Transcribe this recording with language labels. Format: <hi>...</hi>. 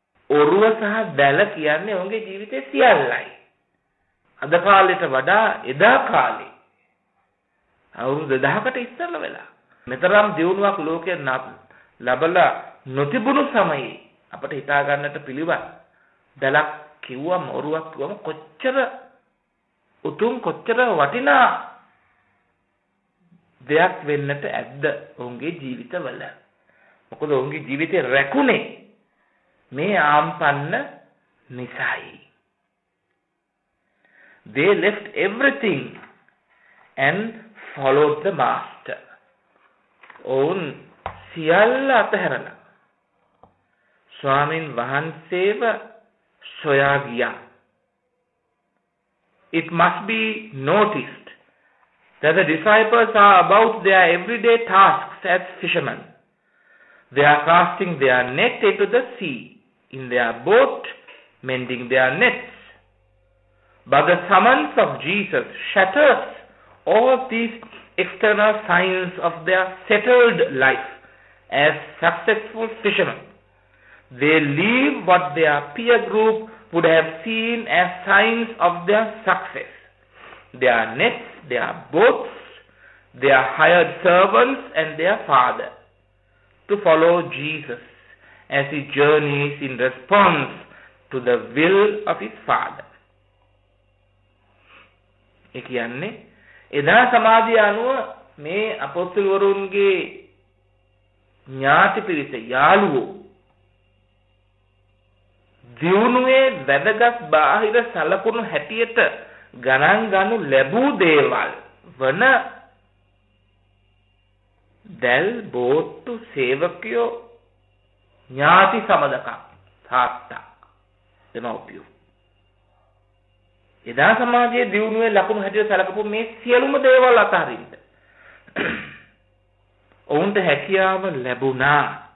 <si>ඔරුව සහ දැල කියන්නේ ඔවුන්ගේ ජීවිතය සියල්ලයි. අද කාලෙට වඩා එදා කාලේ අවුරුදු 2000කට ඉස්සෙල්ලා වෙලා මෙතරම් දියුණුවක් ලෝකයේ නැත් ලබලා නොතිබුණු සමයේ අපට හිතා ගන්නට පිළිවත් දැලක් කිව්වම, ඔරුවක් කිව්වම කොච්චර උතුම්, කොච්චර වටිනා දෙයක් වෙන්නට ඇද්ද ඔවුන්ගේ ජීවිතවල. මොකද ඔවුන්ගේ ජීවිතේ රැකුනේ මේ ආම්පන්න නිසයි.</si> <en>They left everything and followed the master.</en> <si>ඔවුන් සියල්ල අතහැරලා ස්වාමීන් වහන්සේව සොයා ගියා.</si> <en>It must be noticed that the disciples are about their everyday tasks as fishermen. They are casting their net into the sea, in their boat, mending their nets. But the summons of Jesus shatters all of these external signs of their settled life. As successful fishermen, they leave what their peer group would have seen as signs of their success. Their nets, their boats, their hired servants and their father to follow Jesus as he journeys in response to the will of his father.</en> <si>ඒ කියන්නේ එදා සමාධිය අනුව මේ අපොස්තුල්වරුන්ගේ ඥාති පිරිස, යාළුවෝ දියුණුවේ වැදගත් බාහිර සලකුණු හැටියට ගණන් ගනු ලැබූ දේවල් වන දැල්, බෝට්ටු, සේවකයෝ, ඥාති සමදකම්, තාත්තා, දෙමව්පියු, එදා සමාජයේ දියුණුවේ ලකුණු හැටියට සලකපු මේ සියලුම දේවල් අතහරින්න ඔවුන්ට හැකියාව ලැබුණා.</si>